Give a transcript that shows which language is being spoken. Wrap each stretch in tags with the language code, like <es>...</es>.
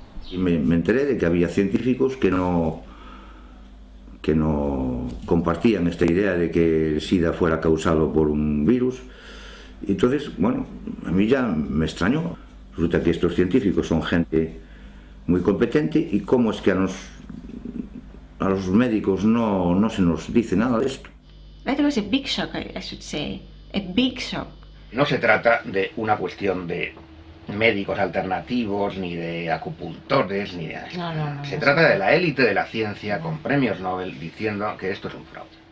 <es>Y me enteré de que había científicos que no compartían esta idea de que el SIDA fuera causado por un virus. Y entonces, bueno, a mí ya me extrañó. Resulta que estos científicos son gente muy competente y cómo es que a los médicos no se nos dice nada de esto.</es> <en>That was a big shock, I should say. A big shock.</en> <es>No se trata de una cuestión de médicos alternativos, ni de acupuntores, ni de esto. No, trata de la élite de la ciencia con premios Nobel diciendo que esto es un fraude.</es>